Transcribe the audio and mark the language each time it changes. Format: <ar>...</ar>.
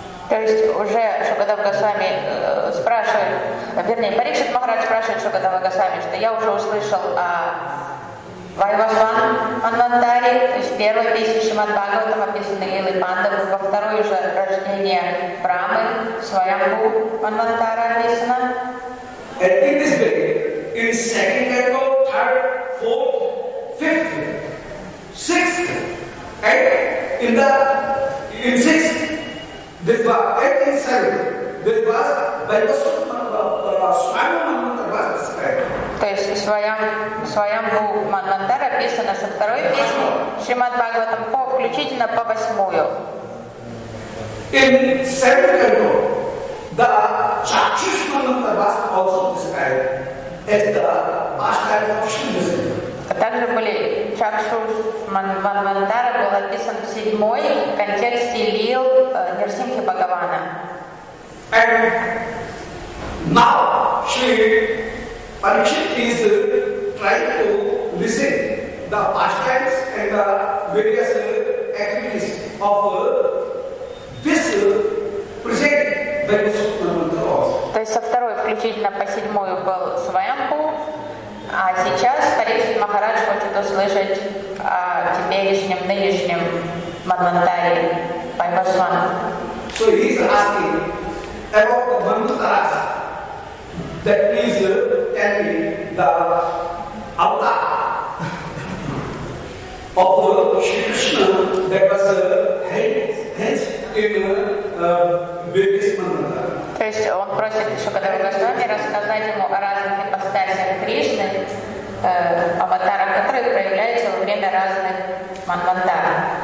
<ru>То есть уже Шукадава Госвами спрашивает, вернее, Парикшит Махарадж спрашивает Шукадава Госвами, что я уже услышал о Вайвашван Манвантари, то есть в первой песне Шримад Бхагаватам описаны Лилы Пандавы, во второй уже рождение Брамы, Сваямбу Манвантара описано.</ru> <en>And in this way, in second tempo, third, fourth, fifth, sixth, and in the in sixth, this was, and in seventh, this was Vaivasvara Swayamananda was described.</en> <ru>То есть Свайямбу Манвантара описано со второй песни Шримад Бхагаватам по включительно по восьмую.</ru> <en>In seventh canto, the Чакшуш Манвантара was also described as the master of Шимбасы.</en> <ru>А также были Чакшуш Манвантара был описан в седьмой контексте Лил Нирсимхи Бхагавана.</ru> <en>And now she Parikshit is trying to listen the pastimes and the various activities of this present Vaivasvara Manvantara.</en> <ru>То есть со второй включительно по седьмую был Свайямбу, а сейчас Парикшит Махарадж хочет услышать о теперешнем, нынешнем Манвантаре Вайвасвана.</ru> <en>So he is asking about the Manvantaras. That means tell me the avatar of Shri Krishna that was held in various manvantara.</en> <ru>То есть он просит еще когда Госвами рассказать ему о разных ипостасях Кришны, аватарах, которые проявляются во время разных манвантар.</ru>